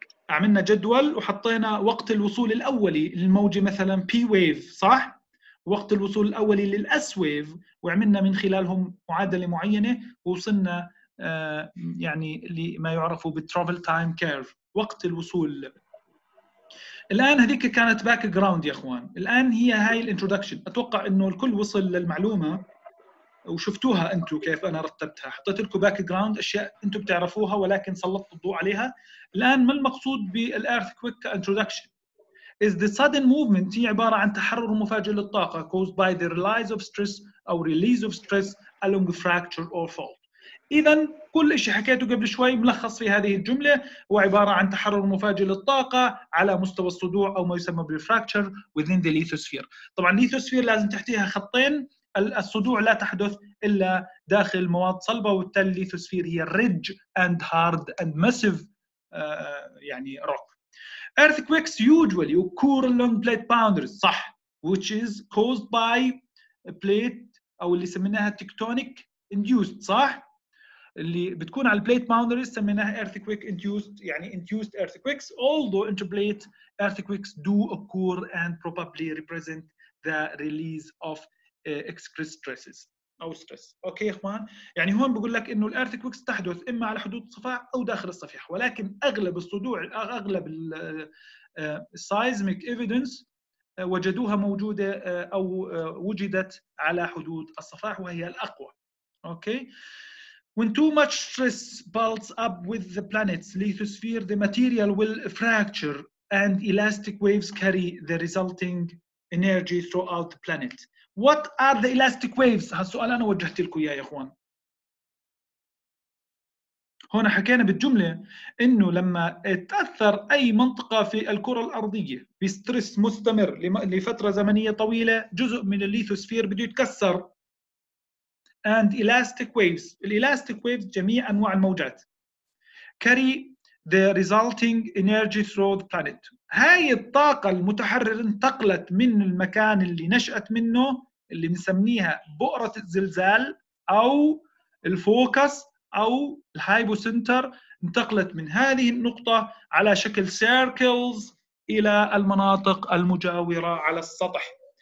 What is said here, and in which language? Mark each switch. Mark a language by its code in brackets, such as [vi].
[ar] عملنا جدول وحطينا وقت الوصول الأولي للموجة مثلا بي ويف، صح؟ وقت الوصول الأولي للأس ويف، وعملنا من خلالهم معادلة معينة ووصلنا يعني لما يعرفوا بالترافل تايم كيرف، وقت الوصول. الآن هذيك كانت باك جراوند يا أخوان، الآن هي هاي الانترودكشن. أتوقع أنه الكل وصل للمعلومة وشفتوها أنتوا كيف أنا رتبتها، حطيت لكم باك جراوند أشياء أنتوا بتعرفوها ولكن سلطت الضوء عليها. الآن ما المقصود بالأرثكويك انترودكشن؟ [en] Is the sudden movement [ar] هي عبارة عن تحرر مفاجئ للطاقة [en] caused by the release of stress أو release of stress along fracture or fault. [ar] إذن كل إشي حكيته قبل شوي ملخص في هذه الجملة، هو عبارة عن تحرر مفاجئ للطاقة على مستوى الصدوع أو ما يسمى بالفراكتشر [en] within the lithosphere. [ar] طبعا lithosphere لازم تحتيها خطين، الصدوع لا تحدث إلا داخل مواد صلبة، والتالي الليثوسفير هي [en] rigid and hard and massive [ar] يعني روك. [en] Earthquakes usually occur along plate boundaries، [ar] صح، [en] which is caused by plate [ar] أو اللي سميناها [en] tectonic induced، صح. [ar] اللي بتكون على البليت باوندريز سميناها [en] earthquake induced, [ar] يعني [en] induced earthquakes, although interplate earthquakes do occur and probably represent the release of excess stresses او stress. [ar] اوكي يا اخوان, يعني هون بقول لك انه الearthquakes تحدث اما على حدود الصفاع او داخل الصفيح, ولكن اغلب الصدوع اغلب [en] seismic evidence [ar] وجدوها موجودة او وجدت على حدود الصفاح وهي الاقوى. [en] Okay, when too much stress builds up with the planet's lithosphere, the material will fracture and elastic waves carry the resulting energy throughout the planet. What are the elastic waves? [ar] هالسؤال انا وجهت لكم اياه يا اخوان. هنا حكينا بالجملة انه لما تأثر اي منطقة في الكرة الارضية بسترس مستمر لفترة زمنية طويلة, جزء من الليثوسفير بده يتكسر. [en] And elastic waves. [ar] Elastic waves, جميع أنواع الموجات. [en] Carry the resulting energy through the planet. [ar] هاي الطاقة المتحررة انتقلت من المكان اللي نشأت منه اللي نسميها بؤرة الزلزال أو الفوكس أو الهايبو سنتر, انتقلت من هذه النقطة على شكل circles إلى المناطق المجاورة على السطح.